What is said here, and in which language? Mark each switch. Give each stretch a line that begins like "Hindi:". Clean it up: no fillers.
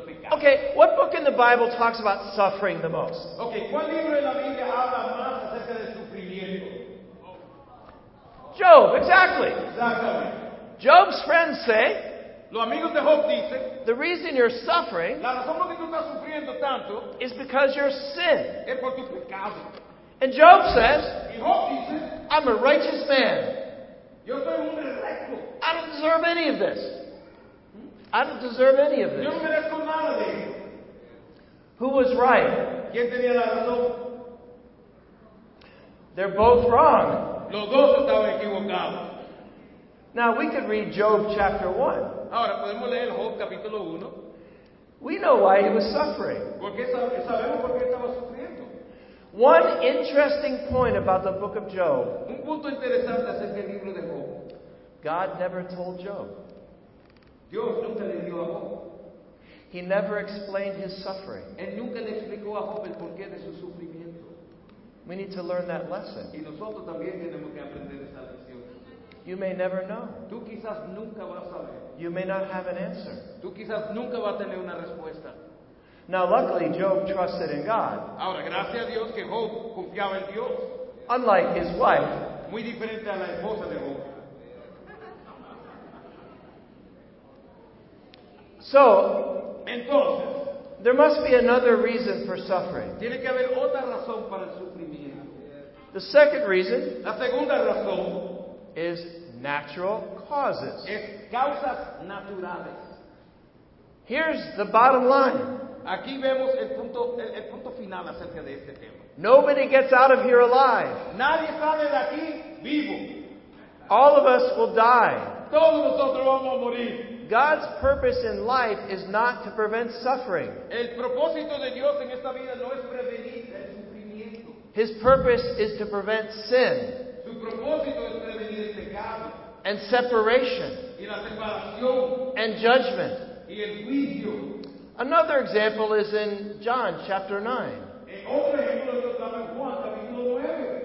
English: Okay, what book in the Bible talks about suffering the most?
Spanish: Okay, ¿cuál libro en la Biblia habla más acerca de sufrimiento?
English: Job, exactly. Exactly. Job's friends say,
Spanish: los amigos de Job dicen,
English: the reason you're suffering,
Spanish: la razón por la que tú estás sufriendo tanto,
English: is because you're sin.
Spanish: Es por tu pecado.
English: And Job says,
Spanish: y Job dice,
English: I'm a righteous man.
Spanish: Yo soy un recto.
English: I don't deserve any of this. I don't deserve any of this.
Spanish: Yo no merezco nada de ello.
English: Who was right?
Spanish: ¿Quién tenía la razón?
English: They're both wrong.
Spanish: Los dos estaban equivocados.
English: Now we could read Job chapter 1.
Spanish: Ahora podemos leer Job capítulo 1.
English: We know why he was suffering.
Spanish: Porque sabemos por qué estaba sufriendo.
English: One interesting point about the book of Job.
Spanish: Un punto interesante acerca del libro de Job.
English: God never told Job.
Spanish: Dios nunca le dio a Job.
English: He never explained his suffering.
Spanish: Él nunca le explicó a Job el porqué de su sufrimiento.
English: We need to learn that lesson.
Spanish: Y nosotros también tenemos que aprender esa lección.
English: You may never know.
Spanish: Tú quizás nunca vas a saber.
English: You may not have an answer.
Spanish: Tú quizás nunca vas a tener una respuesta.
English: Now, luckily, Job trusted in God.
Spanish: Ahora, gracias a Dios que Job confiaba en Dios.
English: Unlike his wife.
Spanish: Muy diferente a la esposa de Job.
English: So,
Spanish: entonces,
English: there must be another reason for suffering.
Spanish: Tiene que haber otra razón para el sufrimiento.
English: The second reason,
Spanish: la segunda razón,
English: is natural causes.
Spanish: Es causas naturales.
English: Here's the bottom line.
Spanish: Aquí vemos el punto final acerca de este tema.
English: Nobody gets out of here alive.
Spanish: Nadie sale de aquí vivo.
English: All of us will die.
Spanish: Todos nosotros vamos a morir.
English: God's purpose in life is not to prevent suffering.
Spanish: El propósito de Dios en esta vida no es prevenir el sufrimiento.
English: His purpose is to prevent sin.
Spanish: Su propósito es prevenir el pecado.
English: And separation.
Spanish: Y la separación.
English: And judgment.
Spanish: Y el juicio.
English: Another example is in John chapter 9.
Spanish: Otro ejemplo de Dios en Juan capítulo 9.